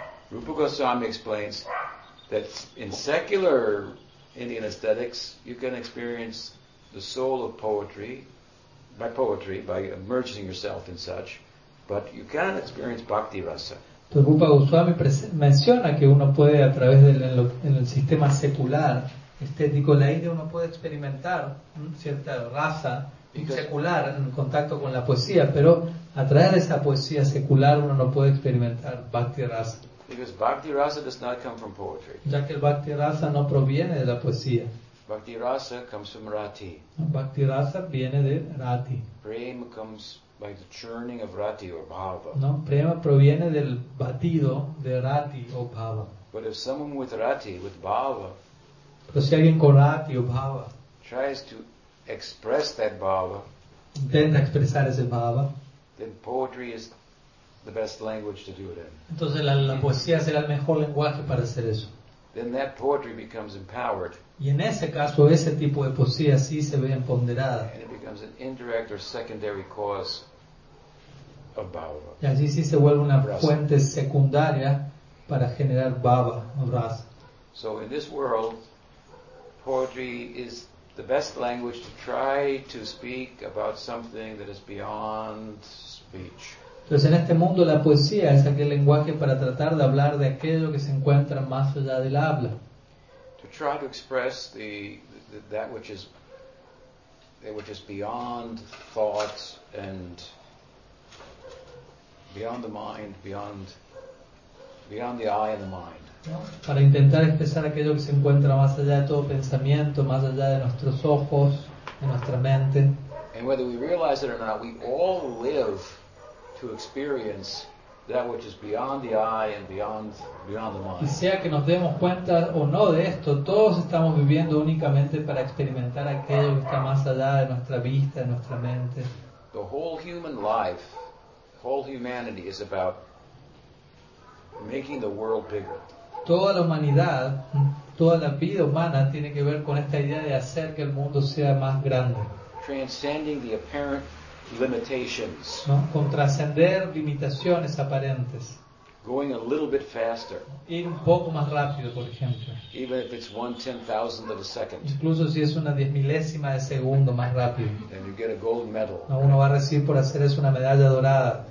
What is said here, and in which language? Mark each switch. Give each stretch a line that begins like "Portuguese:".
English: Rupa Goswami explains that in secular Indian aesthetics, you can experience the soul of poetry, by immersing yourself in such, but you can experience bhakti rasa.
Spanish: Rupa Goswami menciona que uno puede, a través del en el sistema secular estético de la India, uno puede experimentar cierta rasa secular en contacto con la poesía, pero a través de esa poesía secular uno no puede experimentar bhakti rasa.
English: Because bhakti rasa does not come from poetry.
Spanish: Ya que el bhakti rasa no proviene de la poesía.
English: Bhakti rasa comes from rati.
Spanish: Bhakti rasa viene de rati.
English: Prema comes by the churning of rati or bhava.
Spanish: No, prema proviene del batido de rati o bhava.
English: But if someone with rati, with bhava,
Spanish: pero si alguien con rati o bhava
English: tries to express that bhava,
Spanish: intenta expresar ese bhava,
English: then poetry is the best language to do it in.
Spanish: Entonces la poesía será el mejor lenguaje para hacer eso.
English: Then that poetry becomes empowered.
Spanish: Y en ese caso ese tipo de poesía sí se ve empoderada.
English: And it becomes an indirect or secondary cause of bhava.
Spanish: Y así sí se vuelve una rasa. Fuente secundaria para generar bhava o rasa.
English: So in this world, poetry is the best language to try to speak about something that is beyond speech.
Spanish: Entonces, en este mundo, la poesía es aquel lenguaje para tratar de hablar de aquello que se encuentra más allá del habla.
English: To try to express that which is beyond thought and beyond the mind, beyond the eye and the mind.
Spanish: ¿No? Para intentar expresar aquello que se encuentra más allá de todo pensamiento, más allá de nuestros ojos, de nuestra mente.
English: And whether we realize it or not, we all live to experience that which is beyond the eye and beyond the mind.
Spanish: Y sea que nos demos cuenta o no de esto, todos estamos viviendo únicamente para experimentar aquello que está más allá de nuestra vista, de nuestra mente.
English: The whole human life, whole humanity is about making the world bigger.
Spanish: Toda la humanidad, toda la vida humana tiene que ver con esta idea de hacer que el mundo sea más grande.
English: Transcending the apparent limitations.
Spanish: ¿No? Con trascender limitaciones aparentes.
English: Going a little bit faster.
Spanish: Ir un poco más rápido, por ejemplo.
English: Even if it's 1/10,000th of a second.
Spanish: Incluso si es una 1/10,000th de segundo más rápido.
English: And you get a gold medal.
Spanish: ¿No? Uno va a recibir por hacer eso una medalla dorada.